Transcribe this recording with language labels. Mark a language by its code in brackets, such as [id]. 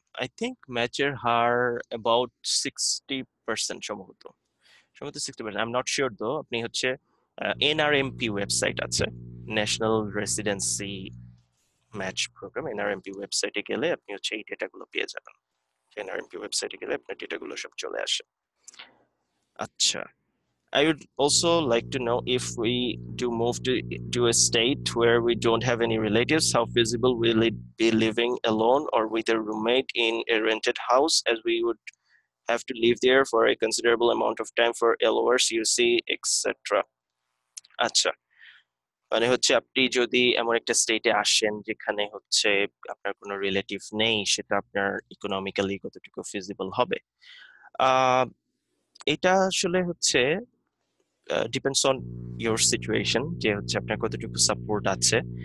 [en] I think [bn] ম্যাচের হার [en] about 60% [bn] সম্ভবত, সম্ভবত [en] 60%, I am not sure though. [bn] আপনি হচ্ছে NRMP ওয়েবসাইট আছে, national residency match programme, NRMP ওয়েবসাইটে গেলে আপনি হচ্ছে এই ডেটাগুলো পেয়ে যাবেন। NRMP ওয়েবসাইটে গেলে আপনার ডেটাগুলো সব চলে আসে। [en] আচ্ছা I would also like to know if we do move to a state where we don't have any relatives, how feasible will it be living alone or with a roommate in a rented house, as we would have to live there for a considerable amount of time for LOs, UC, etc. [bn] Acha মানে হচ্ছে আপনি যদি এমন একটা স্টেটে আসেন যেখানে হচ্ছে আপনার কোনো রিলেটিভ নেই, সেটা আপনার ইকোনমিক্যালি কতটুকু ফিজিবল হবে? এটা আসলে হচ্ছে [en] depends on your situation, [bn] যে হচ্ছে আপনার কতটুকু সাপোর্ট আছে।